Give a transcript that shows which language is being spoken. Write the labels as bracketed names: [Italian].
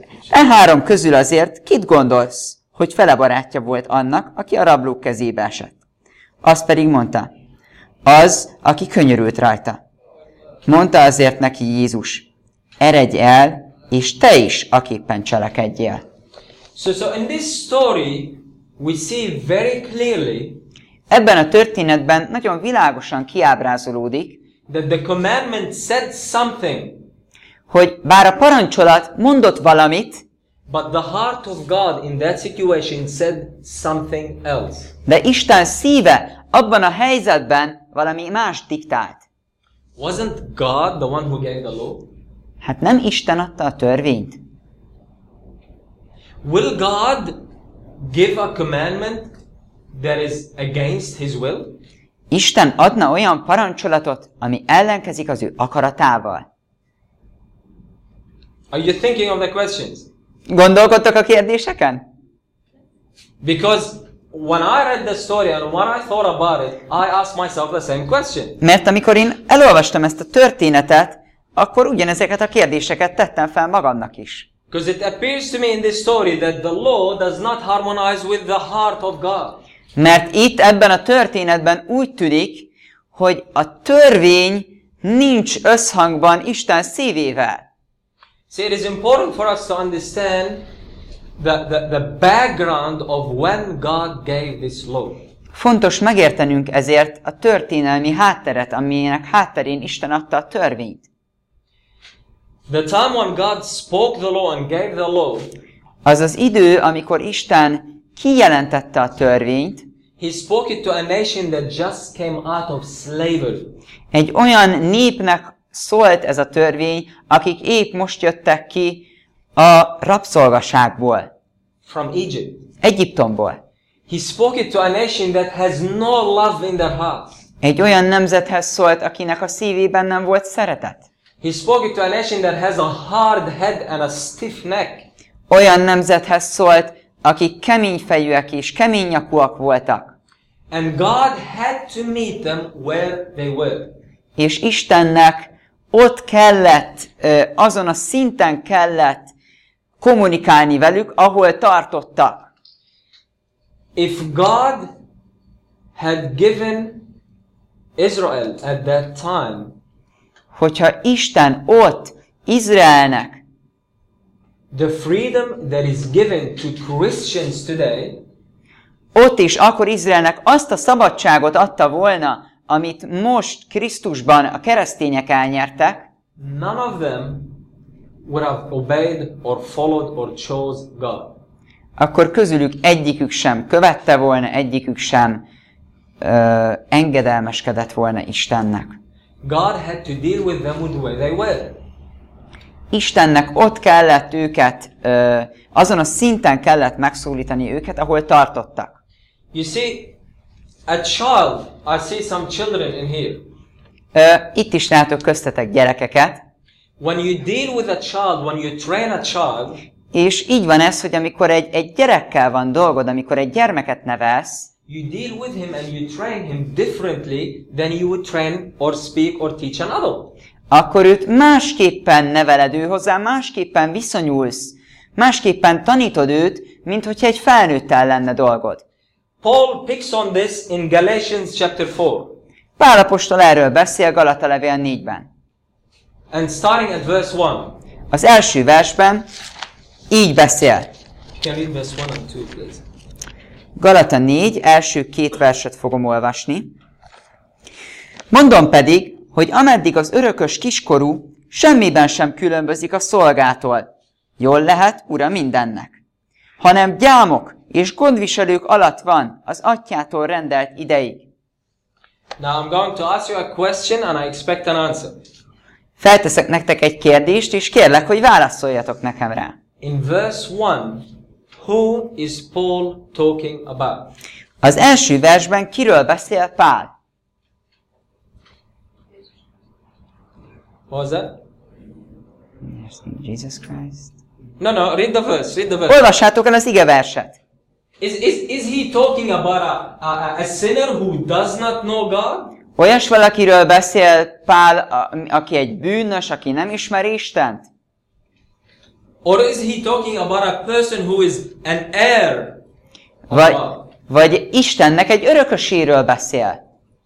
[Hungarian] E három közül azért kit gondolsz, hogy fele barátja volt annak, aki a rablók kezébe esett? Azt pedig mondta, az, aki könyörült rajta. Mondta azért neki Jézus, eredj el, és te is aképpen cselekedjél. [English] So in this story, we see very clearly, [Hungarian] ebben a történetben nagyon világosan kiábrázolódik, [English] that the commandment said something, [Hungarian] hogy bár a parancsolat mondott valamit, [English] but the heart of God in that situation said something else. [Hungarian] De Isten szíve abban a helyzetben valami más diktált. [English] Wasn't God the one who gave the law? [Hungarian] Hát nem Isten adta a törvényt. [English] Will God give a commandment that is against his will? [Hungarian] Isten adna olyan parancsolatot, ami ellenkezik az ő akaratával. [English] Are you thinking of the questions? [Hungarian] Gondolkodtok a kérdéseken? [English] Because when I read the story and when I thought about it, I asked myself the same question. [Hungarian] Mert amikor én elolvastam ezt a történetet, akkor ugyanezeket a kérdéseket tettem fel magamnak is. [English] Because it appears to me in this story that the law does not harmonize with the heart of God. [Hungarian] Mert itt ebben a történetben úgy tűnik, hogy a törvény nincs összhangban Isten szívével. [English] See, it is important for us to understand the background of when God gave this law. [Hungarian] Fontos megértenünk ezért a történelmi hátteret, aminek hátterén Isten adta a törvényt. [English] The time when God spoke the law and gave the law. [Hungarian] Az az idő, amikor Isten kijelentette a törvényt. [English] He spoke it to a nation that just came out of slavery. [Hungarian] Egy olyan népnek szólt ez a törvény, akik épp most jöttek ki a rabszolgaságból. [English] From Egypt. [Hungarian] Egyiptomból. [English] He spoke it to a nation that has no love in their hearts. [Hungarian] Egy olyan nemzethez szólt, akinek a szívében nem volt szeretet. [English] He spoke it to a nation that has a hard head and a stiff neck. [Hungarian] Olyan nemzethez szólt, akik kemény fejűek és kemény nyakúak voltak. [English] And God had to meet them where they were. [Hungarian] És Istennek ott kellett, azon a szinten kellett kommunikálni velük, ahol tartottak. [English] If God had given Israel at that time, [Hungarian] hogyha Isten ott Izraelnek [English] the freedom that is given to Christians today, [Hungarian] ott is akkor Izraelnek azt a szabadságot adta volna, amit most Krisztusban a keresztények elnyertek, [English] none of them would have obeyed or followed or chose God. [Hungarian] Akkor közülük egyikük sem követte volna, egyikük sem engedelmeskedett volna Istennek. [English] God had to deal with them with the way they were. [Hungarian] Istennek ott kellett őket, azon a szinten kellett megszólítani őket, ahol tartottak. [English] You see, a child, I see some children in here. [Hungarian] Itt is látok köztetek gyerekeket. [English] When you deal with a child, when you train a child, [Hungarian] és így van ez, hogy amikor egy gyerekkel van dolgod, amikor egy gyermeket nevelsz, [English] you deal with him and you train him differently than you would train or speak or teach an adult. [Hungarian] Akkor őt másképpen neveled ő hozzá, másképpen viszonyulsz, másképpen tanítod őt, mint hogyha egy felnőttel lenne dolgod. [English] Paul picks on this in Galatians chapter 4. [Hungarian] Pál apostol erről beszél Galata levél 4-ben. [English] And starting at verse 1. [Hungarian] Az első versben így beszél. [English] Can read verse 1 and 2, please. [Hungarian] Galata 4, első két verset fogom olvasni. Mondom pedig, hogy ameddig az örökös kiskorú semmiben sem különbözik a szolgától, jól lehet ura mindennek, hanem gyámok és gondviselők alatt van az atyától rendelt ideig. [English] Now I'm going to ask you a question and I expect an answer. [Hungarian] Felteszek nektek egy kérdést, és kérlek, hogy válaszoljatok nekem rá. [English] In verse 1, who is Paul talking about? [Hungarian] Az első versben kiről beszél Pál? [English] What was that? Jesus Christ. No, read the verse. [Hungarian] Olvassátok el az ige verset. [English] Is he talking about a sinner who does not know God? [Hungarian] Olyas valakiről beszél Pál, aki egy bűnös, aki nem ismeri Istent? [English] Or is he talking about a person who is an heir? [Hungarian] Vagy Istennek egy örököséről beszél?